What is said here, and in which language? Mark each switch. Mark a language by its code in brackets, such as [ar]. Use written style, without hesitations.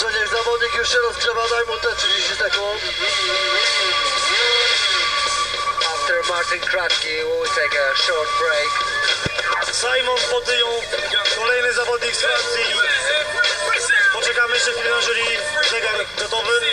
[pl] zawodnik już się rozgrzewa, daj mu te 30 sekund. [en] After Martin Kratki, we'll take a short break. [pl] Simon Podyją, kolejny zawodnik z Francji. Poczekamy jeszcze chwilę na jury, zegar gotowy.